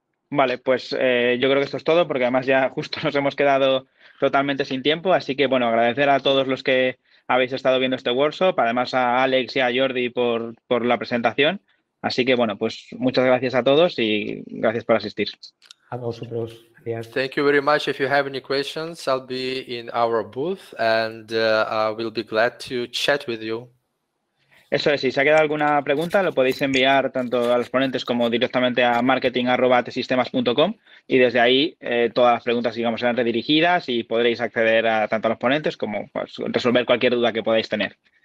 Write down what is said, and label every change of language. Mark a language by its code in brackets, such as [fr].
[es] Vale, pues yo creo que esto es todo, porque además ya justo nos hemos quedado totalmente sin tiempo. Así que, bueno, agradecer a todos los que habéis estado viendo este workshop, además a Alex y a Jordi por la presentación. Así que, bueno, pues muchas gracias a todos y gracias por asistir. A vosotros. [en] Yes. Thank you very much. If you have any questions, I'll be in our booth and we'll be glad to chat with you. [es] Eso es, si se ha quedado alguna pregunta, lo podéis enviar tanto a los ponentes como directamente a marketing@atsistemas.com y desde ahí todas las preguntas, digamos, serán redirigidas y podréis acceder a tanto a los ponentes como pues, resolver cualquier duda que podáis tener.